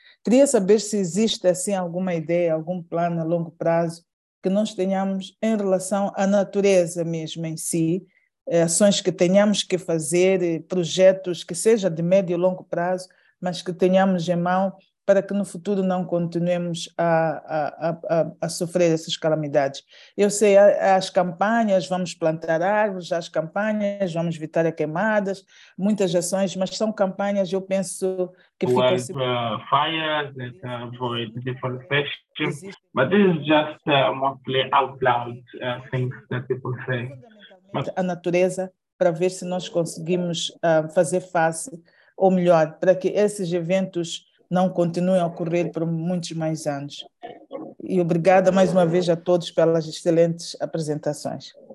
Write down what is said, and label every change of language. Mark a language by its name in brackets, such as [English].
[Portuguese] Queria saber se existe assim alguma ideia, algum plano a longo prazo que nós tenhamos em relação à natureza mesmo em si, ações que tenhamos que fazer, projetos que seja de médio e longo prazo, mas que tenhamos em mão para que no futuro não continuemos a sofrer essas calamidades. Eu sei, as campanhas, vamos plantar árvores, as campanhas, vamos evitar as queimadas, muitas ações, mas são campanhas, eu penso, que ficam... [English] Fires, that avoid deforestation, but this is just mostly out loud things that people say. [Portuguese] A natureza, para ver se nós conseguimos fazer face, ou melhor, para que esses eventos não continuem a ocorrer por muitos mais anos. E obrigada mais uma vez a todos pelas excelentes apresentações.